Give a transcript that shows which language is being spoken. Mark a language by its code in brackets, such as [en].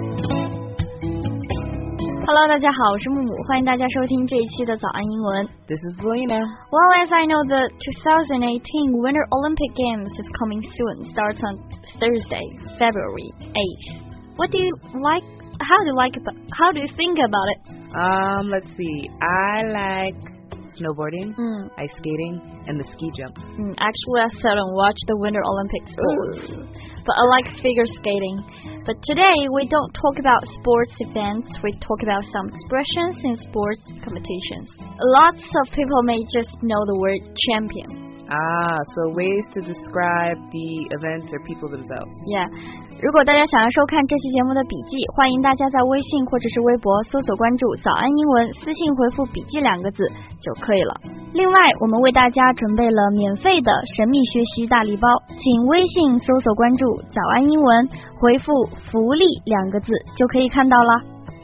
[zh] Hello, 大家好，我是木木，欢迎大家收听这一期的早安英文。 [en] This is Luna. Well, as I know, the 2018 Winter Olympic Games is coming soon. Starts on Thursday, February 8th. What do you like? How do you think about it? Let's see. I like snowboarding, ice skating, and the ski jump. Actually, I seldom watch the Winter Olympic sports, but I like figure skating. But today, we don't talk about sports events, we talk about some expressions in sports competitions. Lots of people may just know the word champion. Ah, so ways to describe the events or people themselves. Yeah. [zh] 如果大家想要收看这期节目的笔记，欢迎大家在微信或者是微博搜索关注早安英文，私信回复笔记两个字就可以了。另外，我们为大家准备了免费的神秘学习大礼包，请微信搜索关注早安英文，回复福利两个字就可以看到了。